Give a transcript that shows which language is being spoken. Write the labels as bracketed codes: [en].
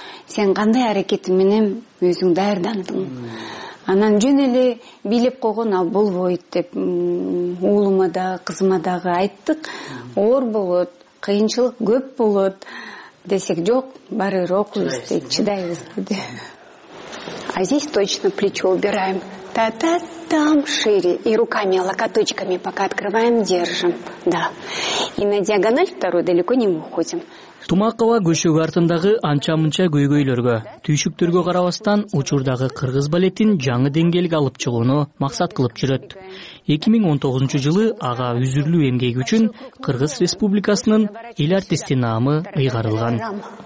[ky] Сен кандай аракети менен өзүң даярдандың. Анан жөн эле бийлеп койгон ал болбойт деп уулума да, кызыма дагы айттык. Оор болот, кыйынчылык көп болот десек, жок, баары бир окуйбуз дейт, чыдайбыз деди. [ru] А здесь точно плечо убираем. Та-та, там шире. И руками, локоточками пока открываем, держим. Да. И на диагональ вторую далеко не уходим. [ky] Тумакова көшөгө артындагы анча-мынча көйгөйлөргө, түйшүктөргө карабастан учурдагы кыргыз балетин жаңы деңгээлге алып чыгууну максат кылып жүрөт. 2019 жылы ага үзүрлүү эмгеги үчүн Кыргыз Республикасынын эл артисти наамы ыйгарылган.